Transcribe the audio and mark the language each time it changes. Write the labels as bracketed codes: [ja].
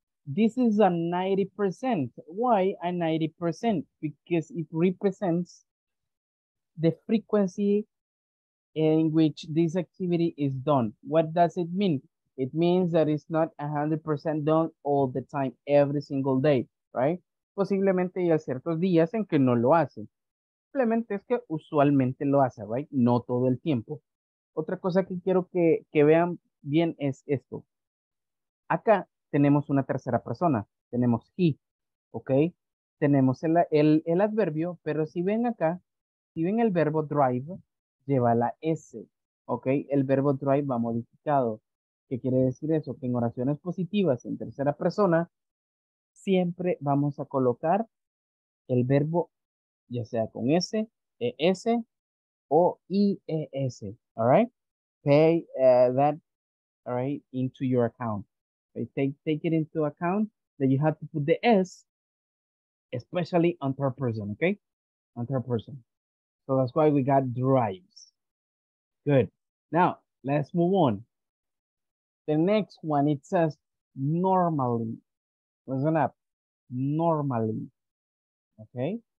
[en] This is a 90%. Why a 90%? Because it represents the frequency in which this activity is done. What does it mean? It means that it's not 100% done all the time, every single day, right? [es] Posiblemente hay ciertos días en que no lo hacen. Simplemente es que usualmente lo hace, right? No todo el tiempo. Otra cosa que quiero que vean bien es esto. Acá tenemos una tercera persona. Tenemos he, ¿ok? Tenemos el adverbio, pero si ven acá, si ven el verbo drive, lleva la S, ¿ok? El verbo drive va modificado. ¿Qué quiere decir eso? Que en oraciones positivas en tercera persona, siempre vamos a colocar el verbo, ya sea con S, ES, o IES, ¿all right? [en] Pay that, all right, into your account. Take it into account that you have to put the S, especially on third person, okay? On third person. So that's why we got drives. Good. Now, let's move on. The next one, it says normally. Listen up. Normally. Okay?